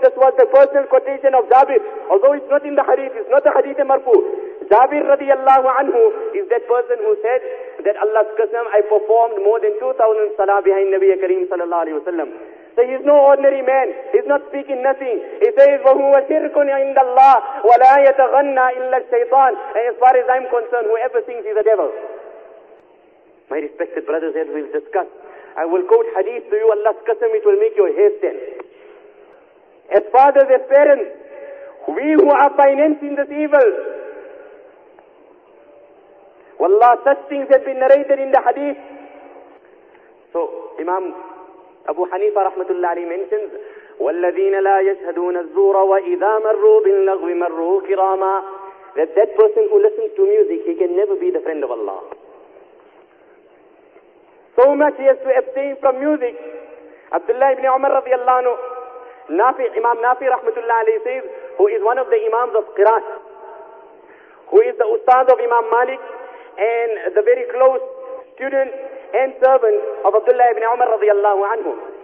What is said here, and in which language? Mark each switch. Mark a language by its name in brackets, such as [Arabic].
[English] This was the personal quotation of Jabir. Although it's not in the hadith, it's not a hadith marfu. Jabir radiyallahu anhu is that person who said, that Allah's Qasam, I performed more than 2,000 salah behind Nabi Kareem sallallahu alayhi wa sallam. So he's no ordinary man. He's not speaking nothing. He says, [Arabic] وَهُوَ شِرْكٌ عِنْدَ اللَّهِ وَلَا يَتَغَنَّى إِلَّا الشَّيْطَانِ. [English] And as far as I'm concerned, whoever thinks he's a devil. My respected brothers, as we'll discuss, I will quote hadith to you, Allah's Qasam, it will make your hair stand. As fathers, as parents, we who are financing this evil, Wallah, such things have been narrated in the hadith. So Imam Abu Hanifa rahmatullah alayhi mentions, [Arabic] وَالَّذِينَ لَا يَشْهَدُونَ الزُّورَ وَإِذَا مَرُّوا بِاللَّغْوِ مَرُّوا كِرَامًا. [English] That person who listens to music, he can never be the friend of Allah. So much he has to abstain from music. Abdullah ibn Umar radiallahu anhu, Nafi, Imam Nafi rahmatullah alayhi says, who is one of the Imams of Qiraat, who is the Ustaz of Imam Malik, and the very close student and servant of Abdullah ibn Umar radiallahu anhu.